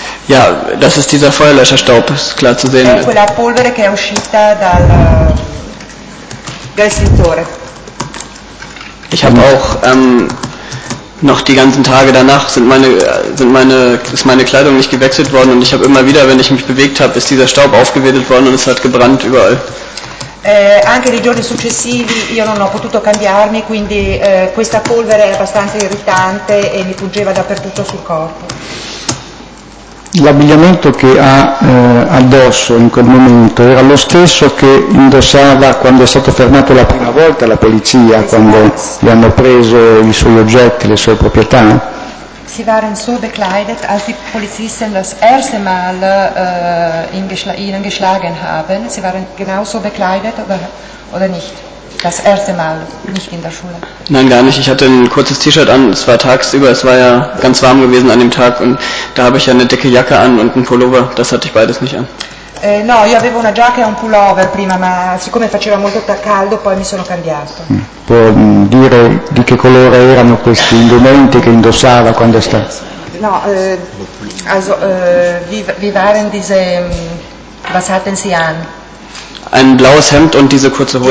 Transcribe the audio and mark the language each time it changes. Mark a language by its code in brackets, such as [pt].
[de] Ja, das ist dieser Feuerlöscherstaub, ist klar zu sehen. [it] Quella polvere che è uscita dal estintore. [de] Ich habe auch noch die ganzen Tage danach ist meine Kleidung nicht gewechselt worden und ich habe immer wieder, wenn ich mich bewegt habe, ist dieser Staub aufgewirbelt worden und es hat gebrannt überall. [it] Anche nei giorni successivi io non ho potuto cambiarmi, quindi questa polvere era abbastanza irritante e mi pungeva dappertutto sul corpo. L'abbigliamento che ha addosso in quel momento era lo stesso che indossava quando è stato fermato la prima volta la polizia, quando gli hanno preso i suoi oggetti, le sue proprietà? [de] Si waren so bekleidet, als die Polizisten das erste Mal ihn geschlagen haben. Si waren genauso bekleidet oder nicht? Das erste Mal, nicht in der Schule. Nein, gar nicht. Ich hatte ein kurzes T-Shirt an. Es war tagsüber. Es war ja ganz warm gewesen an dem Tag. Und da habe ich ja eine dicke Jacke an und einen Pullover. Das hatte ich beides nicht an. [it] No, io avevo una giacca e un pullover prima, ma siccome faceva molto caldo, poi mi sono cambiato. Può dire di che colore erano questi indumenti che indossava quando è stato? [de] No, also, wie waren diese, was hatten Sie an? Ein blaues Hemd und diese kurze Hose,